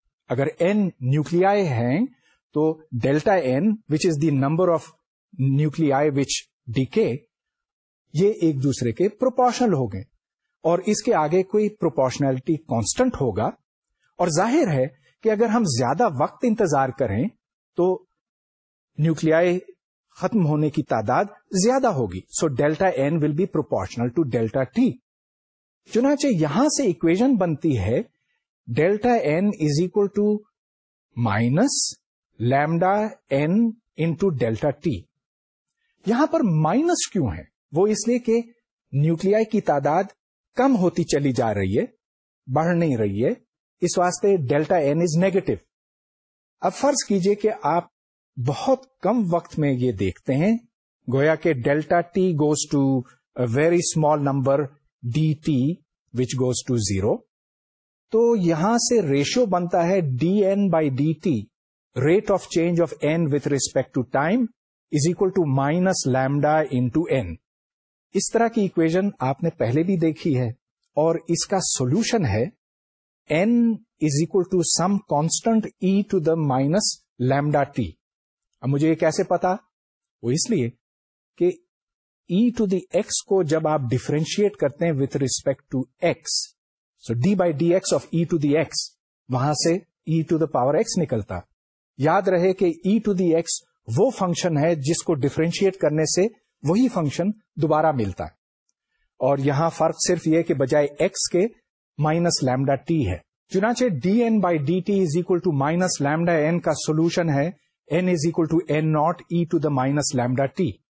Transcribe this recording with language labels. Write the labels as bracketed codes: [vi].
[ur] اگر این نیوکلیائی ہیں تو delta N, [en] which is the number of nuclei which decay, [ur] یہ ایک دوسرے کے پروپورشنل ہو گئے, اور اس کے آگے کوئی پروپورشنلٹی کانسٹنٹ ہوگا. اور ظاہر ہے کہ اگر ہم زیادہ وقت انتظار کریں تو نیوکلیائی ختم ہونے کی تعداد زیادہ ہوگی. [en] So delta N will be proportional to delta t. [ur] چنانچہ یہاں سے ایکویشن بنتی ہے, [en] Delta N is equal to minus lambda N into delta t. [ur] یہاں پر مائنس کیوں ہے؟ وہ اس لیے کہ نیوکلیائی کی تعداد کم ہوتی چلی جا رہی ہے, بڑھ نہیں رہی ہے, اس واسطے [en] Delta N is negative. [ur] اب فرض کیجئے کہ آپ بہت کم وقت میں یہ دیکھتے ہیں, گویا کہ [en] Delta t goes to very small number d t which goes to zero. [ur] تو یہاں سے ریشیو بنتا ہے [en] D n by d t, rate of change of n with respect to time is equal to minus lambda into n. [ur] اس طرح کی equation آپ نے پہلے بھی دیکھی ہے, اور اس کا سولوشن ہے [en] n is equal to some constant e to the minus lambda t. [ur] اب مجھے یہ کیسے پتا؟ وہ اس لیے کہ [en] e to the x کو جب آپ ڈیفرینشیٹ کرتے ہیں with respect to x, so d by dx of e to the x, وہاں سے e to the power x نکلتا. [ur] یاد رہے کہ e to the x وہ فنکشن ہے جس کو ڈیفرینشیٹ کرنے سے وہی فنکشن دوبارہ ملتا, اور یہاں فرق صرف یہ کہ بجائے x کے مائنس لیمڈا ٹی ہے. [en] چنانچہ d n by d t is equal to minus lambda n [ur] کا سولوشن ہے [en] N is equal to n naught e to the minus lambda t.